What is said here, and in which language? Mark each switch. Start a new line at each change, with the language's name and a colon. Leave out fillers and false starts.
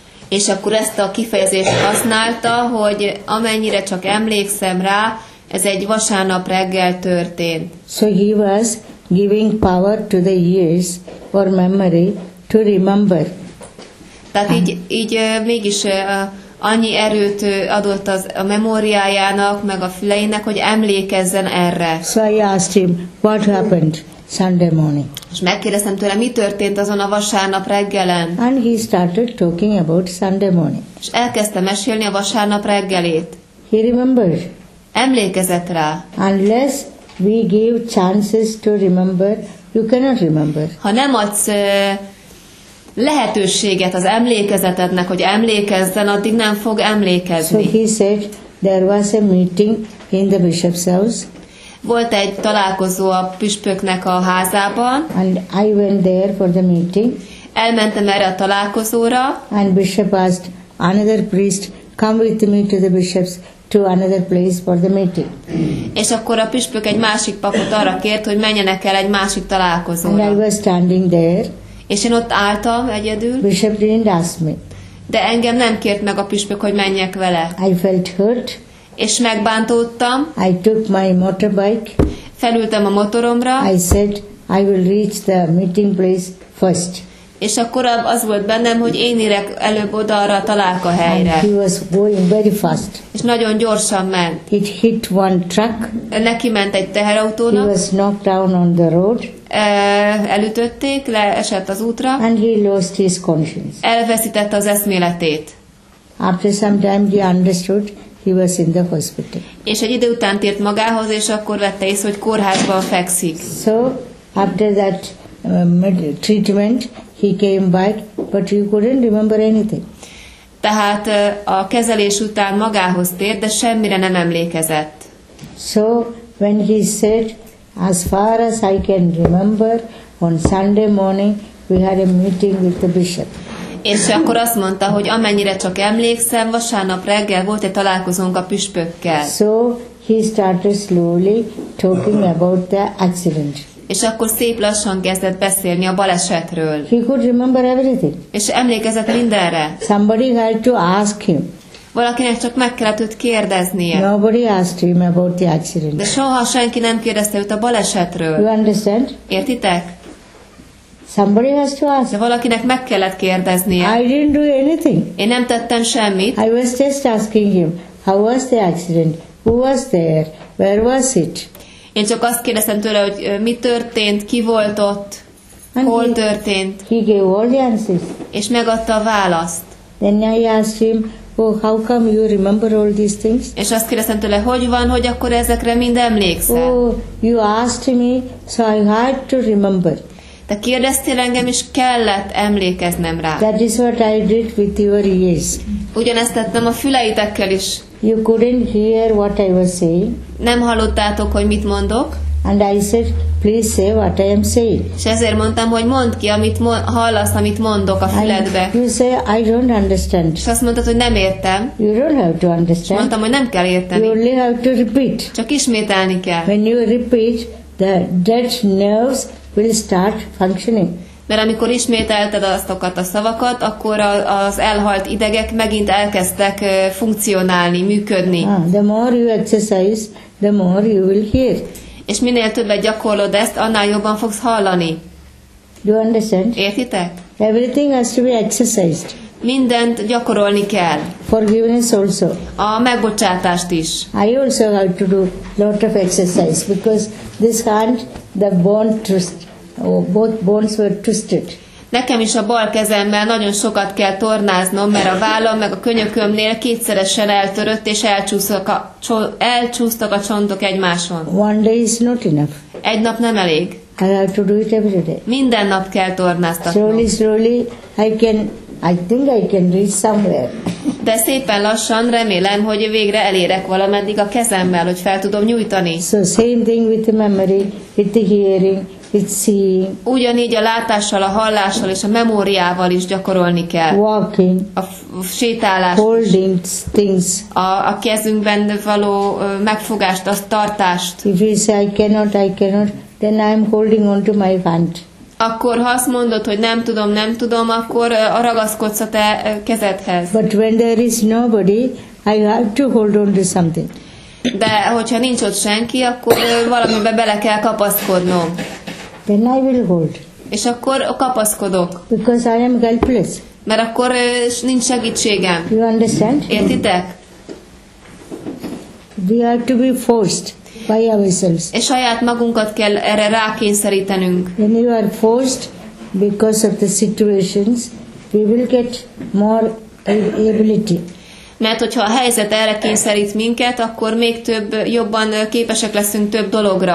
Hungarian: És akkor ezt a kifejezést használta, hogy amennyire csak emlékszem rá, ez egy vasárnap reggel történt.
English: So he was giving power to the ears for memory to remember.
Hungarian: Tehát így mégis annyi erőt adott az a memóriájának, meg a füleinek, hogy emlékezzen erre.
English: So I asked him, what happened Sunday morning?
Hungarian: És megkérdeztem tőle, mi történt azon a vasárnap reggelen.
English: And he started talking about Sunday morning.
Hungarian: És elkezdte mesélni a vasárnap reggelét.
English: He remembered.
Hungarian: Emlékezett rá.
English: Unless we give chances to remember, you cannot remember.
Hungarian: Ha nem adsz lehetőséget az emlékezetednek, hogy emlékezzen, addig nem fog emlékezni.
English: So he said, there was a meeting in the bishop's house.
Hungarian: Volt egy találkozó a püspöknek a házában.
English: And I went there for the meeting.
Hungarian: Elmentem erre a találkozóra.
English: And bishop asked another priest, come with me to the bishop's, to another place for the meeting.
Hungarian: És akkor a püspök egy másik papot arra kért, hogy menjenek el egy másik találkozóra.
English: And I was standing there.
Hungarian: És én ott álltam egyedül.
English: Bishop didn't ask me.
Hungarian: De engem nem kért meg a püspök, hogy menjek vele.
English: I felt hurt.
Hungarian: És megbántódtam.
English: I took my motorbike.
Hungarian: Felültem a motoromra.
English: I said, I will reach the meeting place first.
Hungarian: És akkor az volt bennem, hogy én érek előbb oda arra a találka helyre.
English: And he was going very fast.
Hungarian: És nagyon gyorsan ment.
English: It hit one truck.
Hungarian: Neki ment egy teherautónak.
English: He was knocked down on the road.
Hungarian: elütötték, leesett az útra.
English: And he lost his conscience.
Hungarian: Elveszítette az eszméletét.
English: After some time he understood he was in the hospital.
Hungarian: És egy idő után tért magához, és akkor vette észre, hogy kórházban fekszik.
English: So after that treatment he came back, but he couldn't remember anything.
Hungarian: Tehát a kezelés után magához tért, de semmire nem emlékezett.
English: So when he said, as far as I can remember, on Sunday morning we had a meeting with the bishop.
Hungarian: És akkor azt mondta, hogy amennyire csak emlékszem, vasárnap reggel volt egy találkozónk a püspökkel.
English: So he started slowly talking about the accident.
Hungarian: És akkor szép lassan kezdett beszélni a balesetről.
English: He could remember everything.
Hungarian: És emlékezett mindenre.
English: Somebody had to ask him.
Hungarian: Valakinek csak meg kellett őt kérdeznie.
English: Nobody asked him about the accident.
Hungarian: De soha senki nem kérdezte őt a balesetről.
English: You understand?
Hungarian: Értitek?
English: Somebody has to ask.
Hungarian: De valakinek meg kellett kérdeznie.
English: I didn't do anything.
Hungarian: Én nem tettem semmit.
English: I was just asking him, how was the accident? Who was there? Where was it?
Hungarian: Én csak azt kérdeztem tőle, hogy mi történt, ki volt ott,
English: and
Hungarian: hol történt.
English: He gave all the answers.
Hungarian: És megadta a választ.
English: Then I asked him, oh, how come you remember all these things?
Hungarian: És azt kérdeztem tőle, hogy van, hogy akkor ezekre mind emlékszel.
English: Oh, you asked me, so I had to remember.
Hungarian: Te kérdeztél engem, és kellett emlékeznem rá.
English: That is what I did with your ears.
Hungarian: Ugyanezt tettem a füleitekkel is.
English: You couldn't hear what I was saying.
Hungarian: Nem hallottátok, hogy mit mondok.
English: And I said, please say what I am saying.
Hungarian: És ezért mondtam, hogy mondd ki, amit hallasz, amit mondok a füledbe.
English: You say, I don't understand.
Hungarian: És azt mondtad, hogy nem értem.
English: You don't have to understand.
Hungarian: Mondtam, hogy nem kell érteni.
English: You only have to repeat.
Hungarian: Csak ismételni kell.
English: When you repeat, the dead nerves will start functioning.
Hungarian: Mert amikor ismételted azokat a szavakat, akkor az elhalt idegek megint elkezdtek funkcionálni, működni.
English: The more you exercise, the more you will hear.
Hungarian: És minél többet gyakorlod ezt, annál jobban fogsz hallani.
English: You understand?
Hungarian: Értitek?
English: Everything has to be exercised.
Hungarian: Mindent gyakorolni kell.
English: Forgiveness also.
Hungarian: A megbocsátást is.
English: I also have to do lot of exercise because this hand, the bone twist, both bones were twisted.
Hungarian: Nekem is a bal kezemmel nagyon sokat kell tornáznom, mert a vállam meg a könyökömnél kétszeresen eltörött, és elcsúsztak a csontok egymáson.
English: One day is not enough.
Hungarian: Egy nap nem elég.
English: I have to do it every day.
Hungarian: Minden nap kell tornáztatnom.
English: Slowly, slowly, I think I can reach somewhere.
Hungarian: De szépen lassan remélem, hogy végre elérek valameddig a kezemmel, hogy fel tudom nyújtani.
English: So same thing with the memory, with the hearing.
Hungarian: Ugyanígy a látással, a hallással és a memóriával is gyakorolni kell.
English: Walking,
Hungarian: a sétálás,
English: holding things.
Hungarian: A kezünkben való megfogást, a tartást.
English: If you say I cannot, then I'm holding on to my hand.
Hungarian: Akkor ha azt mondod, hogy nem tudom, akkor ragaszkodsz a te kezedhez.
English: But when there is nobody, I have to hold on to something.
Hungarian: De hogyha nincs ott senki, akkor valamibe bele kell kapaszkodnom.
English: Then I will hold.
Hungarian: És akkor kapaszkodok.
English: Because I am helpless.
Hungarian: Mert akkor nincs segítségem.
English: You understand?
Hungarian: Értitek?
English: We have to be forced by ourselves.
Hungarian: És saját magunkat kell erre rákényszerítenünk.
English: When you are forced because of the situations, we will get more ability.
Hungarian: Mert hogyha a helyzet erre kényszerít minket, akkor még több, jobban képesek leszünk több dologra.